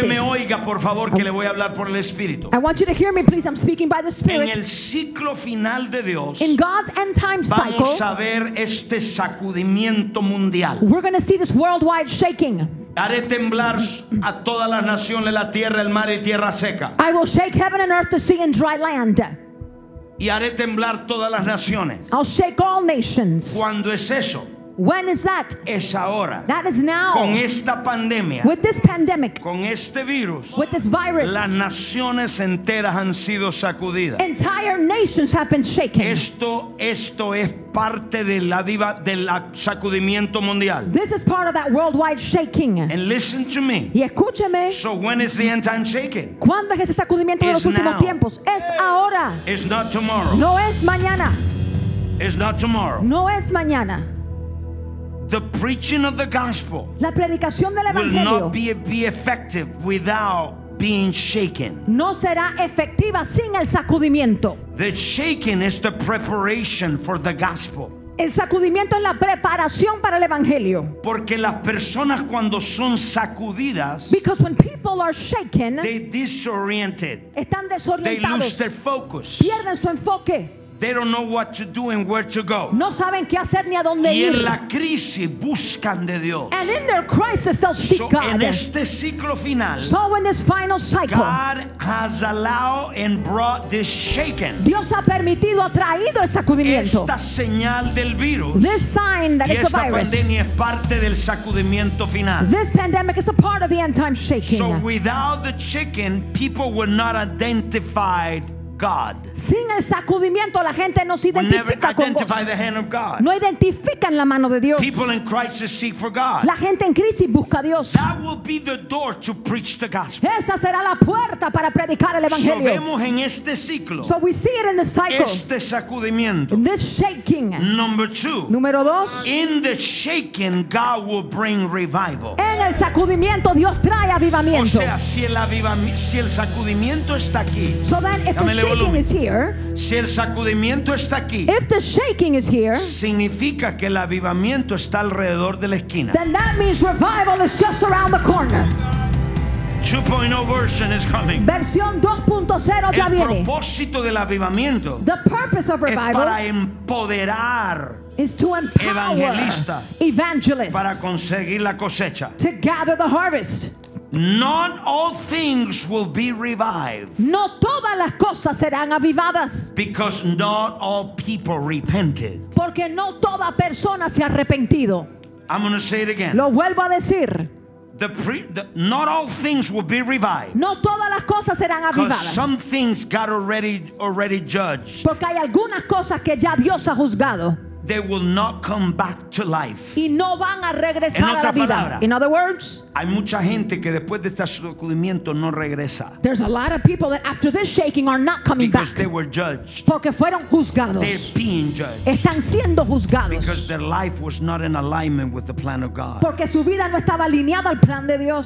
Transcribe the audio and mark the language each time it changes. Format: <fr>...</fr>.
<es>Que me oiga, por favor, que le voy a hablar por el Espíritu.</es> <en>I want you to hear me, please. I'm speaking by the Spirit.</en> <es>En el ciclo final de Dios,</es> <en>in God's end time cycle,</en> <es>vamos a ver este sacudimiento mundial.</es> <en>We're going to see this worldwide shaking.</en> <es>Haré temblar a todas las naciones, la tierra, el mar y tierra seca.</es> <en>I will shake heaven and earth, the sea and dry land.</en> <es>Y haré temblar todas las naciones.</es> <en>I'll shake all nations.</en> <es>¿Cuándo es eso?</es> <en>When is that?</en> <es>Es ahora.</es> <en>That is now.</en> <es>Con esta pandemia.</es> <en>With this pandemic.</en> <es>Con este virus.</es> <en>With this virus.</en> <es>Las naciones enteras han sido sacudidas.</es> <en>Entire nations have been shaken.</en> <es>Esto es parte de la viva del sacudimiento mundial.</es> <en>This is part of that worldwide shaking. And listen to me.</en> <es>Y escúcheme.</es> <en>So when is the end time shaking?</en> <es>¿Cuándo es ese sacudimiento de los últimos tiempos? Es ahora.</es> <en>It's not tomorrow.</en> <es>No es mañana.</es> <en>It's not tomorrow.</en> <es>No es mañana.</es> <en>The preaching of the gospel,</en> <es>la predicación del evangelio,</es> <en>will not be effective without being shaken.</en> <es>No será efectiva sin el sacudimiento.</es> <en>The shaking is the preparation for the gospel.</en> <es>El sacudimiento es la preparación para el evangelio. Porque las personas cuando son sacudidas,</es> <en>because when people are shaken, they disoriented,</en> <es>están desorientados,</es> <en>they lose their focus,</en> <es>pierden su enfoque.</es> <en>They don't know what to do and where to go.</en> <es>No saben qué hacer ni a dónde ir. Y en la crisis buscan de Dios.</es> <en>And in their crisis they'll seek God.</en> <es>En este ciclo final,</es> <en>so in this final cycle, God has allowed and brought this shaking.</en> <es>Dios ha permitido, ha traído el sacudimiento. Esta señal del virus.</es> <en>This sign that</en> <es>y</es> <en>it's a virus.</en> <es>Esta pandemia es parte del sacudimiento final.</es> <en>This pandemic is a part of the end time shaking. So without the shaking, people were not identified God.</en> <es>Sin el sacudimiento la gente no se identifica con Dios. No identifican la mano de Dios.</es> <en>People in crisis seek for God.</en> <es>La gente en crisis busca a Dios.</es> <en>That will be the door to preach the gospel.</en> <es>Esa será la puerta para predicar el evangelio. So vemos en este ciclo.</es> <en>So we see it in the cycle.</en> <es>Este sacudimiento.</es> <en>This shaking. Number two.</en> <es>Número dos.</es> <en>In the shaking, God will bring revival.</en> <es>En el sacudimiento Dios trae avivamiento. O sea, si el sacudimiento está aquí.</es> <en>So then, if the shaking is here,</en> <es>si el sacudimiento está aquí,</es> <en>if the shaking is here,</en> <es>significa que el avivamiento está alrededor de la esquina.</es> <en>Then that means revival is just around the corner. 2.0 version is coming.</en> <es>Versión 2.0 ya viene. El propósito del avivamiento,</es> <en>the purpose of revival,</en> <es>es para empoderar,</es> <en>is to empower</en> <es>evangelista,</es> <en>evangelists,</en> <es>para conseguir la cosecha,</es> <en>to gather the harvest. Not all things will be revived.</en> <es>No todas las cosas serán avivadas.</es> <en>Because not all people repented.</en> <es>Porque no toda persona se ha arrepentido.</es> <en>I'm going to say it again.</en> <es>Lo vuelvo a decir.</es> <en>Not all things will be revived.</en> <es>No todas las cosas serán avivadas.</es> <en>Because some things God already judged.</en> <es>Porque hay algunas cosas que ya Dios ha juzgado.</es> <en>They will not come back to life.</en> <es>Y no van a regresar en otra a la vida. Palabra,</es> <en>in other words,</en> <es>hay mucha gente que después de este sacudimiento no regresa.</es> <en>There's a lot of people that after this shaking are not coming because back. Because they were judged.</en> <es>Porque fueron juzgados.</es> <en>They're being judged.</en> <es>Están siendo juzgados.</es> <en>Because their life was not in alignment with the plan of God.</en> <es>Porque su vida no estaba alineada al plan de Dios.</es>